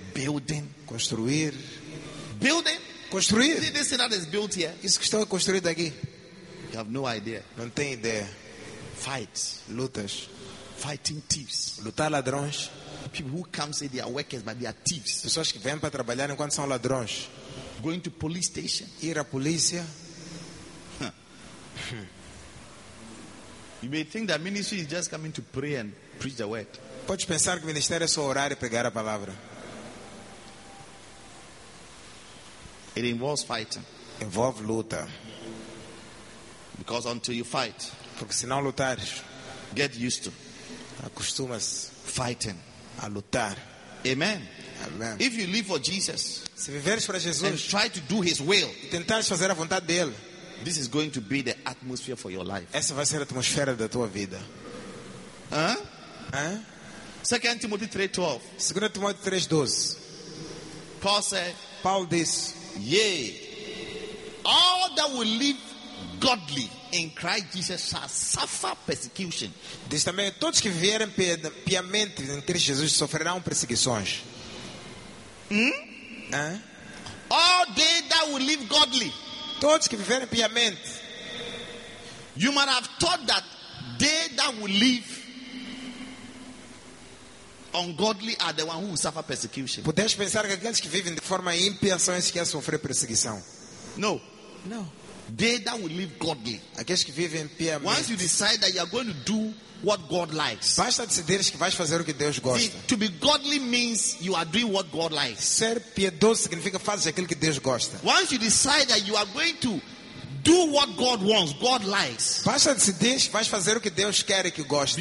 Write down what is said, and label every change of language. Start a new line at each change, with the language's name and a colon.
English: Building.
Portuguese: Construir.
English: Building.
Portuguese: Construir.
English: See this thing that is built here.
Portuguese: Isso que estou a construir daqui.
English: You have no idea.
Portuguese: Não tem ideia.
English: Fights.
Portuguese: Lutas.
English: Fighting thieves.
Portuguese: Lutar ladrões.
English: People who come say they are workers but they are thieves.
Portuguese: Pessoas que vêm para trabalhar enquanto são ladrões.
English: Going to police station.
Portuguese: Ir à polícia.
English: You may think that ministry is just coming to pray and preach the word.
Portuguese: Pode pensar que o ministério é só orar e pregar a palavra.
English: It involves fighting.
Portuguese: Envolve luta.
English: Because until you fight,
Portuguese: porque se não lutares,
English: get used to,
Portuguese: acostumas-se
English: fighting,
Portuguese: a lutar.
English: Amen.
Portuguese: Amen.
English: If you live for Jesus,
Portuguese: se viveres para Jesus,
English: and try to do His will,
Portuguese: e tentares fazer a vontade dele.
English: This is going to be the atmosphere for your life.
Portuguese: Essa vai ser a atmosfera da tua vida.
English: 2 Timothy 3:12. 2 Timothy 3:12. Paul said, Paul this, yea, all that will live godly in Christ Jesus shall suffer persecution.
Portuguese: Diz também, todos que vierem piamente em Cristo Jesus sofrerão perseguições.
English: All they that will live godly.
Portuguese: Todos que viverem piamente.
English: You might have thought that they that will live ungodly are the ones who will suffer persecution.
Portuguese: Podes pensar que aqueles que vivem de forma ímpia são esses que vão sofrer perseguição.
English: No.
Portuguese: No.
English: They that will live godly.
Portuguese: Aqueles que vivem piamente.
English: Once you decide that you are going to do what God likes.
Portuguese: Basta decidires que vais fazer o que Deus gosta.
English: To be godly means you are doing what God likes.
Portuguese: Ser piedoso significa fazer aquilo que Deus gosta.
English: Once you decide that you are going to do what God wants, God likes.
Portuguese: Basta decidires que vais fazer o que Deus quer e que gosta.